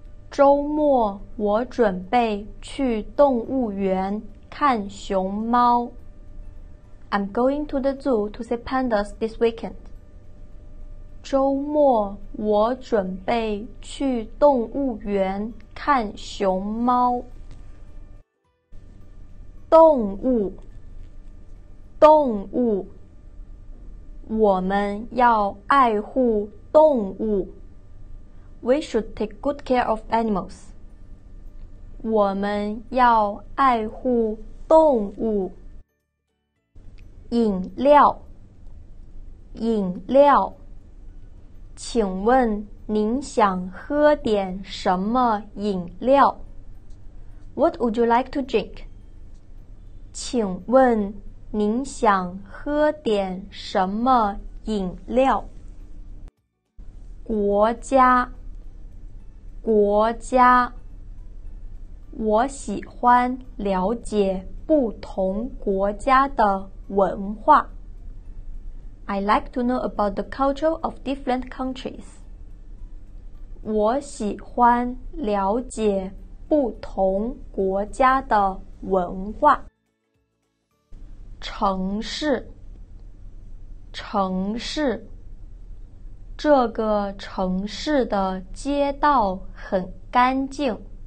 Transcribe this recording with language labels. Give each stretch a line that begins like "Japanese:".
Chinese: 周末我准备去动物园看熊猫。
English: I'm going to the zoo to see pandas this weekend.
Chinese: 周末我准备去动物园看熊猫。动物，动物，我们要爱护动物。
English: We should take good care of animals.
Chinese: 我们要爱护动物。饮料，饮料。请问您想喝点什么饮料？
English: What would you like to drink?
Chinese: 请问您想喝点什么饮料？国家，国家。我喜欢了解不同国家的文化。
English: I like to know about the culture of different countries.
Chinese: 我喜欢了解不同国家的文化。城市，城市。这个城市的街道很干净。